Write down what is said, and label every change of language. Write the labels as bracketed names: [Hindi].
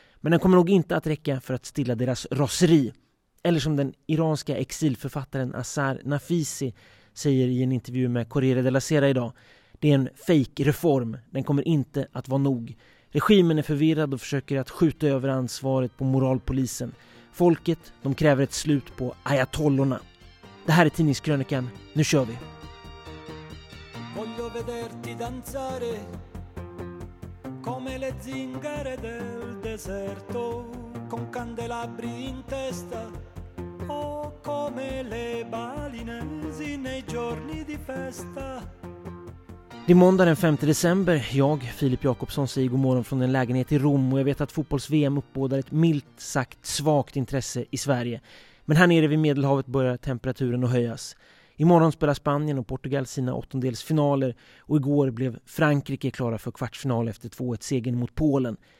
[Swedish] Men den kommer nog inte att räcka för att stilla deras raseri. Eller som den iranska exilförfattaren Azar Nafisi säger i en intervju med Corriere della Sera idag. Det är en fejkreform, den kommer inte att vara nog. Regimen är förvirrad och försöker att skjuta över ansvaret på moralpolisen. Folket, de kräver ett slut på ayatollorna. Det här är tidningskrönikan, nu kör vi! [Italian] Voglio vederti danzare come le zingare del deserto con candelabri in testa o come le balinesi nei giorni di festa. [Swedish] Det är måndag den 5 december. Jag, Filip Jakobsson, säger god morgon från en lägenhet i Rom och jag vet att fotbolls-VM uppbådar ett milt sagt svagt intresse i Sverige. Men här nere vid Medelhavet börjar temperaturen att höjas. Imorgon spelar Spanien och Portugal sina åttondelsfinaler och igår blev Frankrike klara för kvartsfinal efter 2-1-segern mot Polen.